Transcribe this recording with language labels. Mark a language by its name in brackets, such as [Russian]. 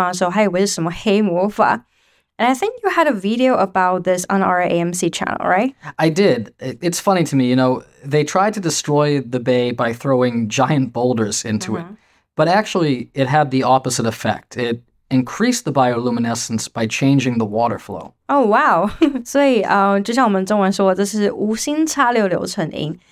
[Chinese] 那西班牙人刚刚发现这个地方的时候，还以为是什么黑魔法. [English] And I think you had a video about this on our AMC channel, right? I did. It's funny to me, you know, they tried to destroy the bay by throwing giant boulders into mm-hmm. it. But actually, it had the opposite effect. It increased the bioluminescence by changing the water flow. Oh, wow. [Chinese] 所以就像我们中文说的，这是无心插柳柳成荫。